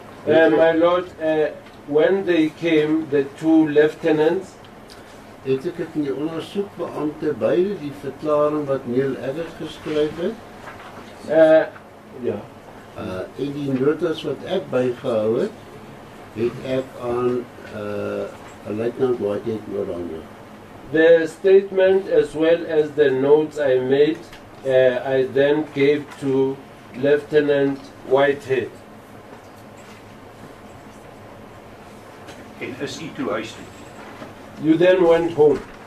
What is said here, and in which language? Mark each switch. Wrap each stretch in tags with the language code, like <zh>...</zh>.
<en>My lord, when they came, the two lieutenants,</en> <af>het ek in die ondersoekbeamte beide die verklaring wat Neil Aggett geskryf het, en die notas wat ek bygehou het, het ek aan luitenant Whitehead oorhandig.</af> <en>The statement as well as the notes I made, I then gave to Lieutenant Whitehead.</en> <af>En is u toe huis toe?</af> <en>You then went home.</en>